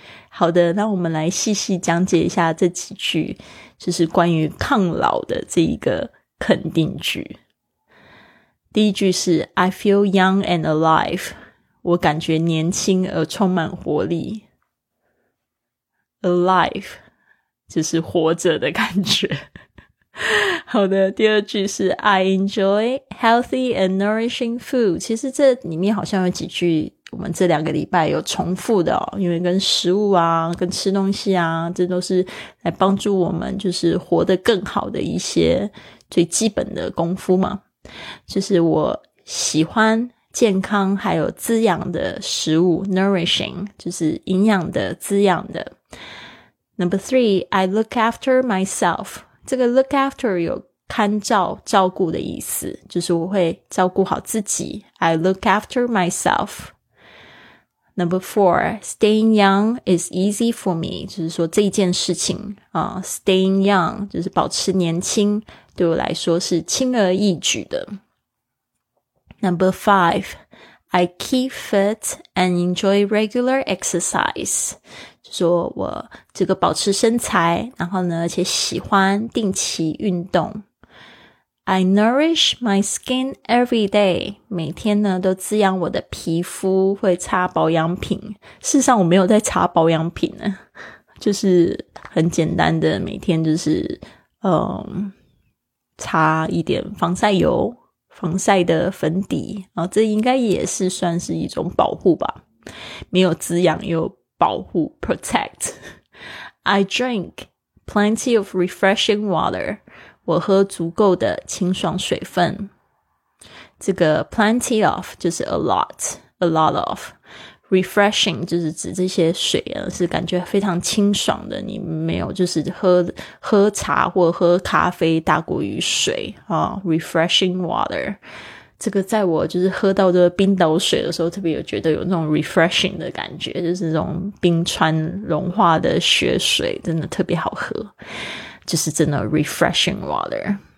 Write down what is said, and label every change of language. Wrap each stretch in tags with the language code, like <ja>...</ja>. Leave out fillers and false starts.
<zh>好的，那我们来细细讲解一下这几句，就是关于抗老的这一个肯定句。第一句是</zh> <en>I feel young and alive，</en> <zh>我感觉年轻而充满活力。 Alive 就是活着的感觉。好的，第二句是</zh> <en>I enjoy healthy and nourishing food。</en> <zh>其实这里面好像有几句我们这两个礼拜有重复的哦，因为跟食物啊，跟吃东西啊，这都是来帮助我们就是活得更好的一些最基本的功夫嘛。就是我喜欢健康还有滋养的食物， nourishing 就是营养的滋养的。</zh> <en>Number three， I look after myself，</en> <zh>这个 look after 有看照照顾的意思，就是我会照顾好自己，</zh> <en>I look after myself。 Number four， staying young is easy for me，</en> <zh>就是说这件事情啊， staying young 就是保持年轻，对我来说是轻而易举的。</zh> <en>Number five， I keep fit and enjoy regular exercise，</en> <zh>就说我这个保持身材，然后呢而且喜欢定期运动。</zh> <en>I nourish my skin every day，</en> <zh>每天呢都滋养我的皮肤，会擦保养品。事实上我没有在擦保养品呢，就是很简单的每天就是擦一点防晒油，防晒的粉底，然后这应该也是算是一种保护吧，没有滋养又保护 protect。</zh> <en>I drink plenty of refreshing water，</en> <zh>我喝足够的清爽水分。这个 plenty of 就是</zh> <en>a lot of refreshing</en> <zh>就是指这些水啊，是感觉非常清爽的，你没有就是喝茶或喝咖啡大过于水啊。 refreshing water， 这个在我就是喝到这个冰岛水的时候，特别有觉得有那种 refreshing 的感觉，就是这种冰川融化的雪水真的特别好喝，就是真的 refreshing water。</zh>